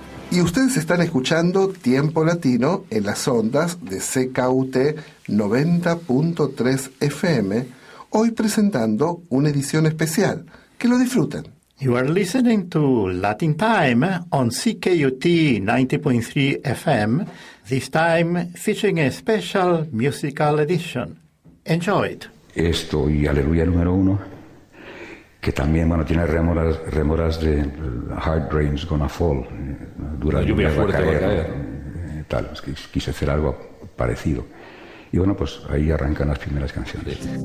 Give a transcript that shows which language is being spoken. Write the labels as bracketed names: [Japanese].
[Spanish] Y ustedes están escuchando Tiempo Latino en las ondas de CKUT 90.3 FM, hoy presentando una edición especial. Que lo disfruten. [English] You are listening to Latin Time on CKUT 90.3 FM, this time featuring a special musical edition. Enjoy it. [Spanish] Esto y Aleluya número uno, que también, bueno, tiene remoras de Hard Rain's Gonna Fall, dura la lluvia fuerte, va a caer. Es que quise hacer algo parecido. Y bueno, pues ahí arrancan las primeras canciones.